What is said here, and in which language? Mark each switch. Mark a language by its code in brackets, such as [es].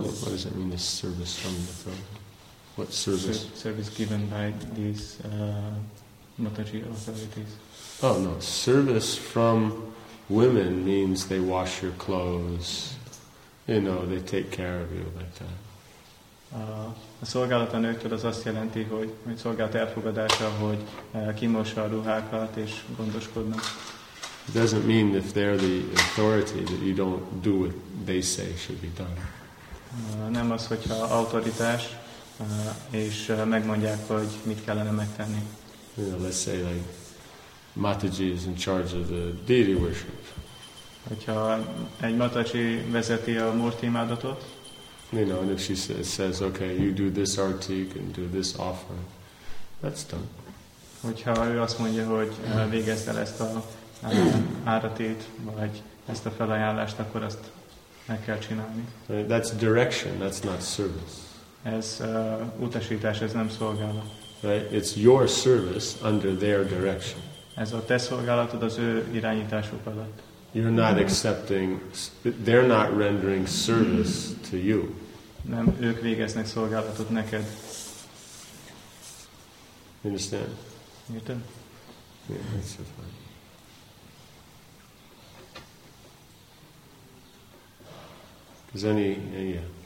[en] what does it mean, this service from the throne? What service? Service given by these mataji authorities. Oh no, service from women means they wash your clothes, you know, they take care of you like that. [hu] A szolgálat a nőktől az azt jelenti, hogy szolgálat elfogadása, hogy kimossa a ruhákat és gondoskodnak. [en] It doesn't mean if they're the authority that you don't do what they say should be done. [hu] Nem az, hogyha autoritás, és megmondják, hogy mit kellene megtenni. [en] You know, let's say like Mataji is in charge of the deity worship. [hu] Hogyha egy Mataji vezeti a Murti imádatot. [en] You know, and if she says, okay, you do this artik and do this offering, that's done. [hu] Hogyha ő azt mondja, hogy végezd el ezt a áratét, vagy ezt a felajánlást, akkor azt meg kell csinálni. [en] That's direction, that's not service. [hu] Ez utasítás, ez nem szolgálat. [en] Right? It's your service under their direction. [hu] Ez a te szolgálatod az ő irányításuk alatt. [en] You're not accepting, they're not rendering service to you. [hu] Nem, ők végeznek szolgálatot neked. [en] Understand? [hu] Értem? [en] Yeah, that's so fine. Is any, yeah.